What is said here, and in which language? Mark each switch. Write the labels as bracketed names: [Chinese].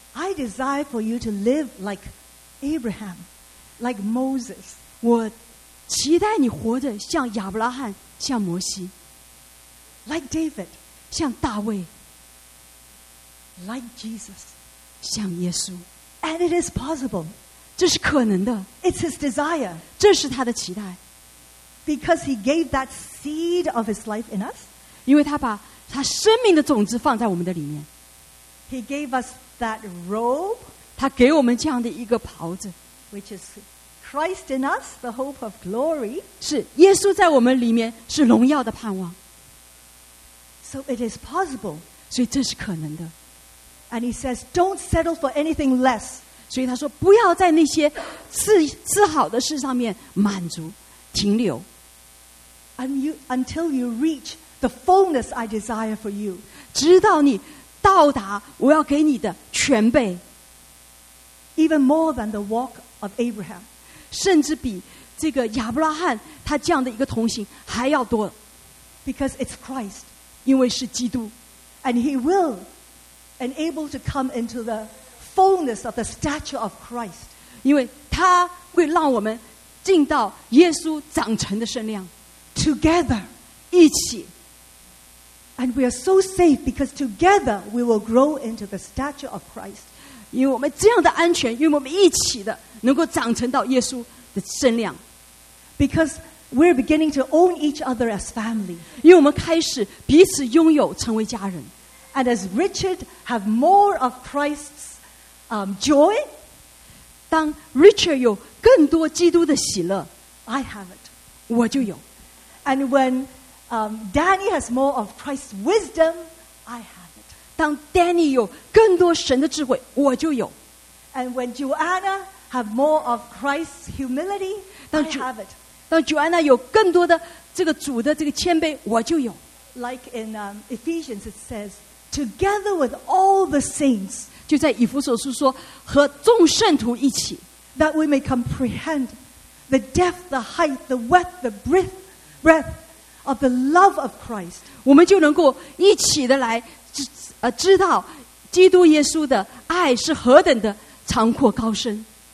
[English] I desire for you to live like Abraham, like Moses. [Chinese] 我期待你活着像亚伯拉罕,像摩西。 [English] Like David, [Chinese] 像大卫。 [English] Like Jesus, [Chinese] 像耶稣。 [English] And it is possible. [Chinese] 这是可能的。 [English] It's His desire. [Chinese] 这是他的期待。 [English] Because He gave that seed of His life in us. [Chinese] 因为他把他生命的种子放在我们的里面。 [English] He gave us that robe. [Chinese] 他给我们这样的一个袍子, [English] which is Christ in us, the hope of glory. [Chinese] 是耶稣在我们里面, 是荣耀的盼望。 [English] So it is possible. [Chinese] 所以这是可能的。 [English] And He says, don't settle for anything less. [Chinese] 所以他说, 不要在那些赐好的事上面满足, 停留。 [English] And you, until you reach the fullness I desire for you. [Chinese] 直到你到达我要给你的全备。 [English] Even more than the walk of Abraham. [Chinese] 甚至比这个亚伯拉罕他这样的一个同行还要多。 [English] Because it's Christ. [Chinese] 因为是基督。 [English] And he will and able to come into the fullness of the stature of Christ. [Chinese] 因为他会让我们进到耶稣长成的身量。 [English] Together. [Chinese] 一起。 [English] And we are so safe because together we will grow into the stature of Christ. [Chinese] 因为我们这样的安全，因为我们一起的能够长成到耶稣的身量。 [English] Because we're beginning to own each other as family. [Chinese] 因为我们开始彼此拥有成为家人。 [English] And as Richard have more of Christ's joy, [Chinese] 当 Richard 有更多基督的喜乐， [English] I have it. [Chinese] 我就有。 [English] And when Danny has more of Christ's wisdom, I have it. [Chinese] 当 Danny 有更多神的智慧，我就有。 [English] And when Joanna have more of Christ's humility, I have it. [Chinese] 当 Joanna 有更多的这个主的这个谦卑，我就有。 [English] Like in Ephesians, it says, "Together with all the saints." [Chinese] 就在以弗所书说，和众圣徒一起。 [English] That we may comprehend the depth, the height, the width, the breadth of the love of Christ. [Chinese] 我们就能够一起的来知道基督耶稣的爱是何等的长阔高深。